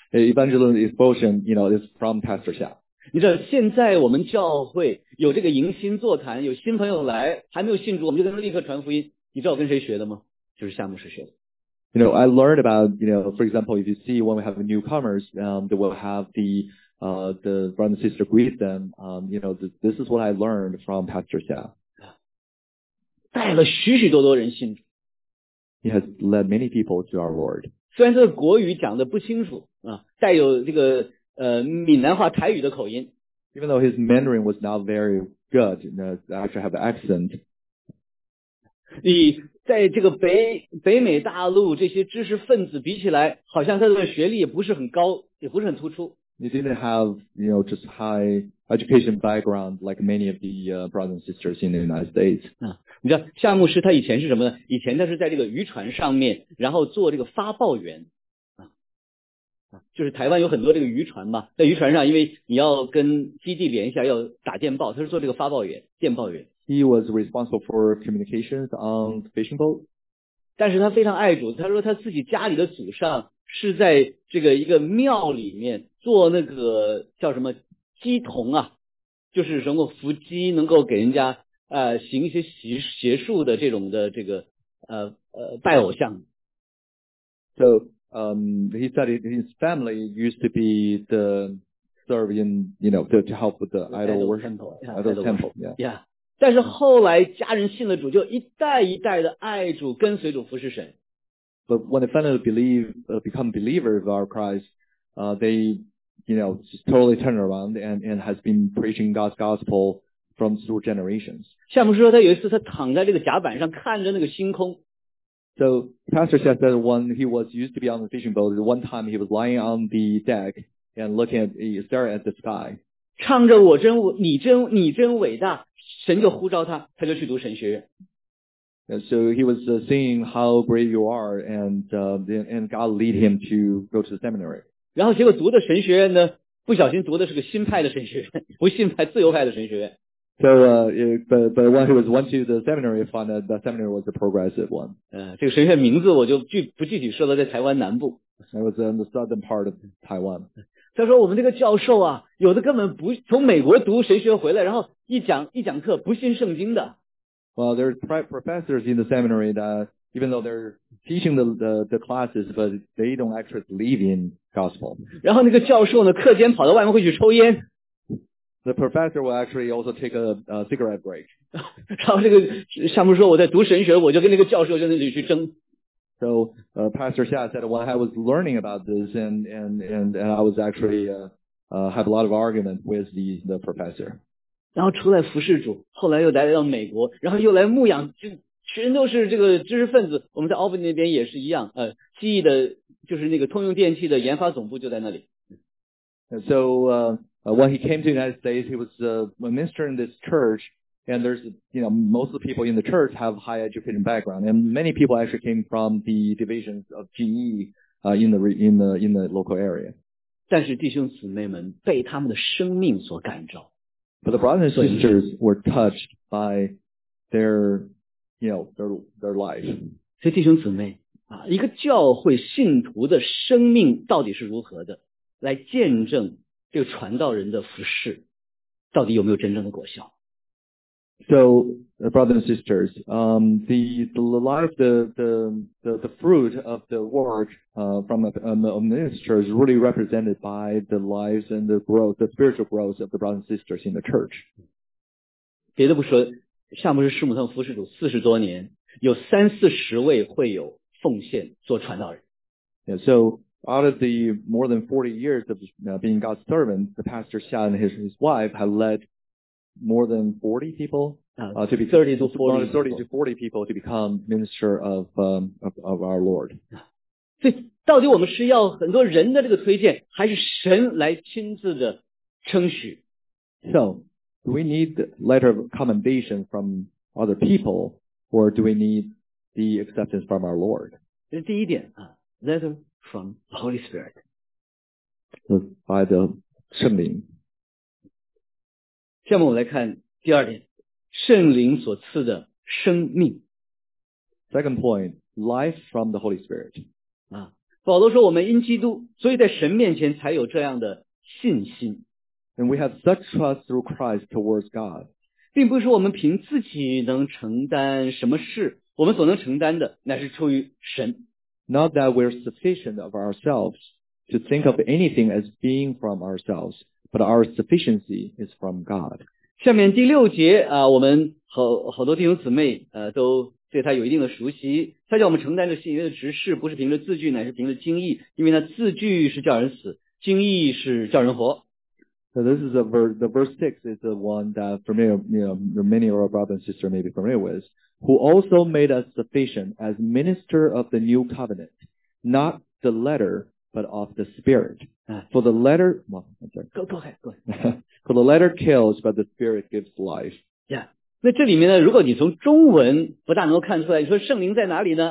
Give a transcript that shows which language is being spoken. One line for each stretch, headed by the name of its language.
English: Evangelism explosion, you know, is from Pastor Xia.
Chinese: 你知道现在我们教会有这个迎新座谈，有新朋友来还没有信主，我们就跟他立刻传福音。你知道我跟谁学的吗？就是夏牧师学的。
English: You know, I learned about, you know, for example, if you see when we have the newcomers, they will have the brother and sister greet them. You know, this is what I learned from Pastor Xia.
Chinese: 带了许许多多人信主。
English: He has led many people to our Lord.
Chinese: 虽然这个国语讲的不清楚啊，带有这个闽南话台语的口音。
English: Even though his Mandarin was not very good, you know, actually have an accent.
Chinese: 你在这个北美大陆这些知识分子比起来，好像他的学历也不是很高，也不是很突出。
English: He didn't have, you know, just high education background like many of the brothers and sisters in the United States.
Chinese: 你知道夏牧师他以前是什么呢？以前他是在这个渔船上面，然后做这个发报员。就是台湾有很多这个渔船嘛，在渔船上，因为你要跟基地连一下，要打电报，他是做这个发报员，电报员。
English: He was responsible for communications on the fishing boat.
Chinese: 但是他非常爱主，他说他自己家里的祖上是在这个一个庙里面做那个叫什么鸡童啊，就是能够扶鸡，能够给人家行一些邪术的这种的这个拜偶像。
English: So, he said his family used to be the serving, you know, to help with the idol worship. Idol temple, yeah.
Chinese: 但是后来家人信了主，就一代一代的爱主，跟随主服侍神。
English: But when they finally become believers of our Christ, they, you know, just totally turn around and has been preaching God's gospel from through generations.
Chinese: 夏牧师说他有一次他躺在这个甲板上看着那个星空。
English: So Pastor Xia said when he was used to be on the fishing boat, one time he was lying on the deck and looking at, staring at the sky.
Chinese: 唱着我真你真你真伟大，神就呼召他，他就去读神学院。
English: So he was seeing how great you are, and God lead him to go to the seminary.
Chinese: 然后结果读的神学院呢，不小心读的是个新派的神学院，不信派自由派的神学院。
English: So, but when he went to the seminary, he found that the seminary was a progressive one.
Chinese: 这个神学院名字我就不具体说了，在台湾南部。
English: It was in the southern part of Taiwan.
Chinese: 他说我们这个教授啊，有的根本不从美国读神学回来，然后一讲课不信圣经的。
English: Well, there's professors in the seminary that even though they're teaching the classes, but they don't actually believe in gospel.
Chinese: 然后那个教授呢，课间跑到外面会去抽烟。
English: The professor will actually also take a cigarette break.
Chinese: 然后这个夏牧说我在读神学，我就跟那个教授就在那里去争。
English: So, Pastor Xia said, when I was learning about this and I was actually, have a lot of argument with the professor.
Chinese: 然后出来服侍主，后来又来到美国，然后又来牧养，就全都是这个知识分子。我们在 Albany 那边也是一样，记忆的，就是那个通用电器的研发总部就在那里。
English: So, when he came to the United States, he was ministering this church, and there's, you know, most of the people in the church have high education background, and many people actually came from the divisions of GE, in the local area.
Chinese: 但是弟兄姊妹们被他们的生命所感召。
English: But the brothers and sisters were touched by their, you know, their life.
Chinese: 所以弟兄姊妹啊，一个教会信徒的生命到底是如何的，来见证这个传道人的服事到底有没有真正的果效。
English: So, brothers and sisters, the life, the fruit of the work, from a minister is really represented by the lives and the growth, the spiritual growth of the brothers and sisters in the church.
Chinese: 别的不说，夏牧师师母他们服事主40多年，有三四十位会有奉献做传道人。
English: Yeah, so, out of the more than 40 years of being God's servant, the pastor Xia and his wife have ledMore than 40 people, to be 30 to 40 people to become minister of our Lord.
Chinese: 所以到底我们是要很多人的这个推荐，还是神来亲自的称许？
English: So, do we need the letter of commendation from other people, or do we need the acceptance from our Lord?
Chinese: 这是第一点啊，
English: letter from Holy Spirit. By the
Chinese: 圣灵。下面我们来看第二点，圣灵所赐的生命。
English: Second point, life from the Holy Spirit.
Chinese: 啊，保罗说我们因基督，所以在神面前才有这样的信心。
English: And we have such trust through Christ towards God.
Chinese: 并不是我们凭自己能承担什么事，我们所能承担的乃是出于神。
English: Not that we're sufficient of ourselves to think of anything as being from ourselves, but our sufficiency is from God.
Chinese: 下面第六节啊，我们好多弟兄姊妹都对他有一定的熟悉。他叫我们承担着信约的职事，不是凭着字句，乃是凭着经义，因为那字句是叫人死，经义是叫人活。
English: So this is the verse 6 is the one that many of our brothers and sisters may be familiar with, who also made us sufficient as minister of the new covenant, not the letter, but of the spirit. For the letter, For the letter kills, but the spirit gives life. Yeah.
Chinese: 那这里面呢，如果你从中文不大能够看出来，你说圣灵在哪里呢？